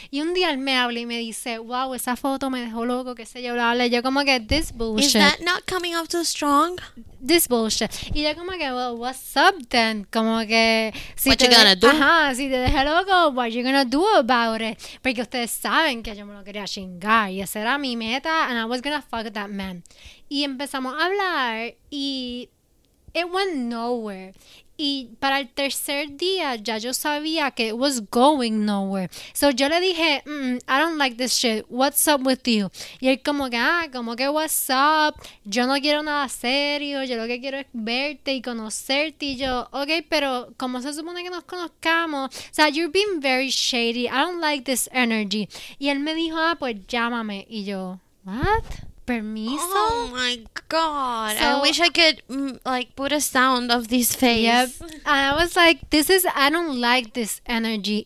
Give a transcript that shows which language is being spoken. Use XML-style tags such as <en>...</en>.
<es>Y un día él me habló y me dice, wow, esa foto me dejó loco, qué sé yo, bla, bla. Yo como que,</es> <en>this bullshit. Is that not coming off too strong? This bullshit.</en> <es>Y yo como que,</es> <en>well, what's up then?</en> <es>Como que, si</es> <en>what you gonna do?</en> <es>Ajá, si te dejé loco,</es> <en>what you gonna do about it?</en> <es>Porque ustedes saben que yo me lo quería chingar. Y esa era mi meta,</es> <en>and I was gonna fuck that man.</en> <es>Y empezamos a hablar, y</es> <en>it went nowhere.</en> <es>Y para el tercer día, ya yo sabía que</es> <en>it was going nowhere. So</en> <es>yo le dije,</es> <en>I don't like this shit, what's up with you?</en> <es>Y él como que, ah, como que</es> <en>what's up?</en> <es>Yo no quiero nada serio, yo lo que quiero es verte y conocerte. Y yo, okay, pero ¿cómo se supone que nos conozcamos? O sea,</es> <en>you're being very shady, I don't like this energy.</en> <es>Y él me dijo, ah, pues llámame. Y yo,</es> <en>what?</en> <es>Permiso?</es> <en>Oh my god. So, I wish I could like put a sound of this face. Yep. And I was like, I don't like this energy.</en>